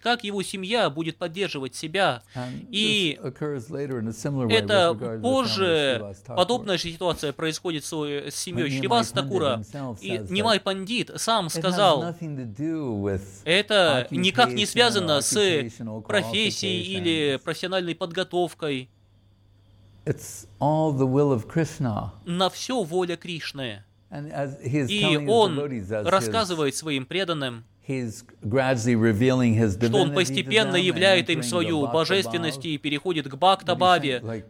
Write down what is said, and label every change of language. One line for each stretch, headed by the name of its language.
Russian: Как его семья будет поддерживать себя? И это позже подобная же ситуация происходит с семьей Шривас Такура. И Нимай Пандит сам сказал, это никак не связано с профессией или профессиональной подготовкой.
English: It's all the will of Krishna.
Russian: На все воля Кришны.
English: And as he's
Russian: и он рассказывает своим преданным, что он постепенно являет им свою божественность и переходит к Бхактабаве.